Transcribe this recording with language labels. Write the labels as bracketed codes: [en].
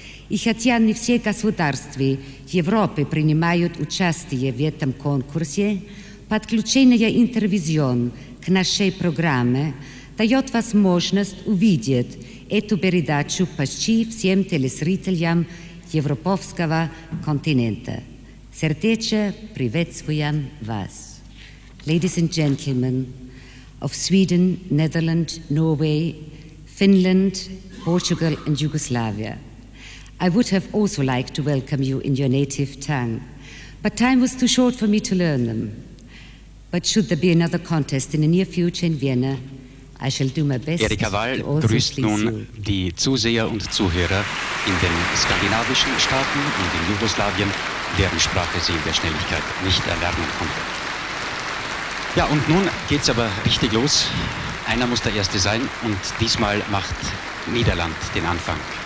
[ru] I хотя не все государства Европы принимают участие в этом конкурсе, подключение Интервизион к нашей программе дает возможность увидеть эту передачу почти всем телезрителям европейского континента. Сердечно приветствуем вас. [en] Ladies and gentlemen of Sweden, Netherlands, Norway, Finland, Portugal and Yugoslavia, I would have also liked to welcome you in your native tongue, but time was too short for me to learn them. But should there be another contest in the near future in Vienna, I shall do my best. [de] Erica Vaal grüßt nun die Zuseher und Zuhörer in den skandinavischen Staaten und in Jugoslawien, deren Sprache sie in der Schnelligkeit nicht erlernen konnte. Ja, und nun geht's aber richtig los. Einer muss der Erste sein, und diesmal macht Niederland den Anfang.